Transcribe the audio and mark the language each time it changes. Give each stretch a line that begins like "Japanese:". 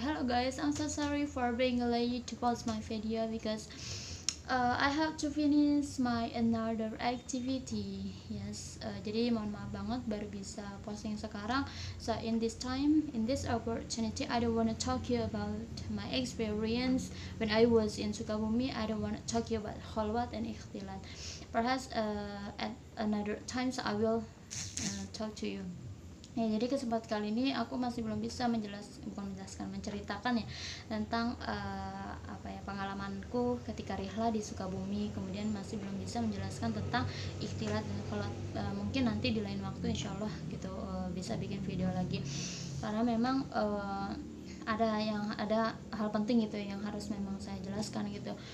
English: Hello guys, I'm so sorry for being late to post my video because I have to finish my another activity.
Indonesian: Yes, jadi mohon maaf banget baru bisa posting sekarang.
English: So in this time, in this opportunity, I don't wanna talk you about my experience when I was in Sukabumi. I don't wanna talk you about Khulwat and Ikhtilat. Perhaps at another time, so I will talk to you.
Indonesian: Ya, jadi kesempatan kali ini aku masih belum bisa menceritakan ya tentang pengalamanku ketika rihlah di Sukabumi, kemudian masih belum bisa menjelaskan tentang ikhtilat dan kholwat. Mungkin nanti di lain waktu insyaallah gitu bisa bikin video lagi, karena memang ada hal penting gitu yang harus memang saya jelaskan gitu.